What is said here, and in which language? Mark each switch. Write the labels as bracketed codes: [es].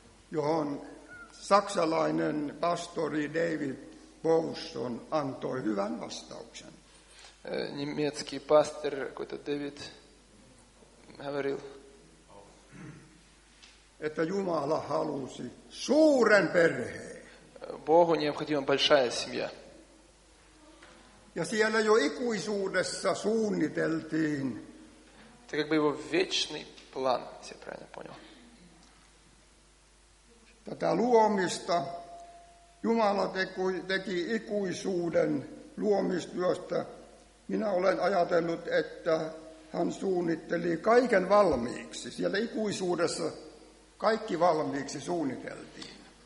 [fi] Johon saksalainen pastori David Bowson antoi hyvän vastauksen. [ru] Немецкий пастор какой-то Дэвид говорил, [fi] это Jumala halusi suuren perheen. [ru] Богу необходима большая семья. [fi] Ja siellä jo ikuisuudessa suunniteltiin. [ru] Это как бы его вечный план, если я правильно понял. [fi] Tätä luomista Jumala teki ikuisuuden luomistyöstä. Minä olen ajatellut, että hän suunnitteli kaiken valmiiksi. Siellä ikuisuudessa kaikki valmiiksi suunniteltiin.